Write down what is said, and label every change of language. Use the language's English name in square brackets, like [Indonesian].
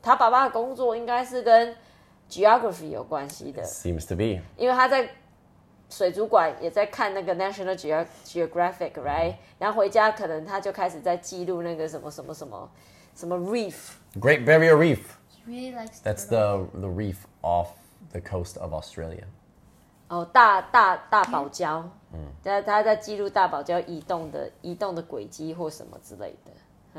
[Chinese] 他爸爸的工作应该是跟 geography 有关系的 [English] ，seems to be， [Chinese] 因为他在。水族馆也在看那个 National Geographic， [English] right？ [Chinese] 然后回家可能他就开始在记录那个什么什么什么什么 reef， [English] Great Barrier Reef。 He really likes. That's the reef off the coast of Australia. [Chinese] 哦，大堡礁。他在记录大堡礁移动的轨迹或什么之类的。